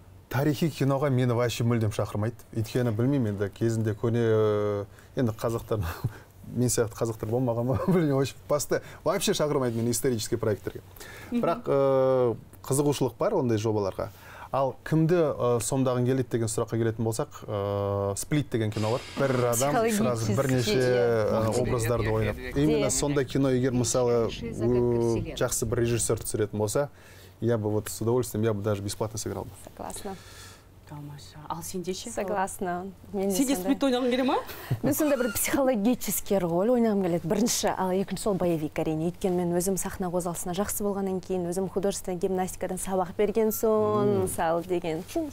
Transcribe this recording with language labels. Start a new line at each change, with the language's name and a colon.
Kazakh: Тарихи киноға мені вообще мүлдем шақырмайды. Өйткені білмеймін, енді кезінде көне енді қазақтар мен сияқты қазақтар болмаған ба, білмеймін, басты вообще шақырмайды мені исторический проекттерге. Бірақ қызығушылық бар ондай жобаларға. Ал кімді сомдағын келеді деген сұраққа келетін болсақ, Сплит деген кино бар. Бір адам сразу бірнеше образдарды ойнап.
Russian: Именно
Kazakh: сонда кино, егер мысалы жақсы бір режиссер түсіретін болса,
Russian: я бы вот с удовольствием, я бы даже бесплатно сыграл бы. Согласна.
Kazakh: Тамаша. Ал сенде ше?
Russian: Согласна.
Kazakh: Сенде Сплит ойнағың келе ма? Мен сонда бір психологический роль ойнағым келеді. Бірінші, ал екінші сол боевик әрине. Өйткені мен өзім сахна қозғалысына жақсы болғаннан кейін, өзім художественная гимнастикадан сабақ берген соң, мысалы деген.